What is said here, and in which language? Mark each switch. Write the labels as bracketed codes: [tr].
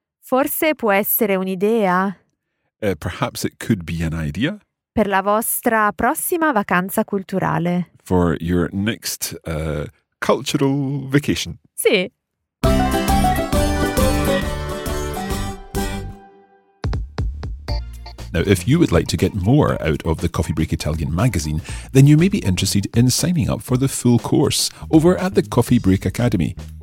[it] Forse può essere un'idea. [en] Perhaps it could be an idea. [it] Per la vostra prossima vacanza culturale. [en] For your next cultural vacation. [it] Sì. [en] Now, if you would like to get more out of the Coffee Break Italian magazine, then you may be interested in signing up for the full course over at the Coffee Break Academy.